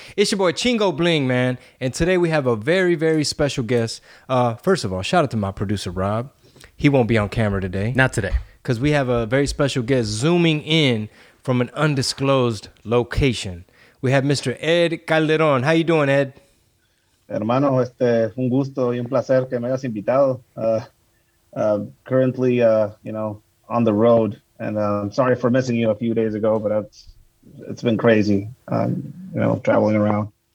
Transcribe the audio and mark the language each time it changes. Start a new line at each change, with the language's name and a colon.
English: It's your boy Chingo Bling, man. And today we have a very, very special guest. First of all, shout out to my producer, Rob. He won't be on camera today. Not today. Because we have a very special guest zooming in from an undisclosed location. We have Mr. Ed Calderon. How you doing, Ed?
Spanish: Hermano, un gusto y un placer que me hayas invitado.
English: Currently, on the road. And I'm sorry for missing you a few days ago, but it's been crazy, traveling around.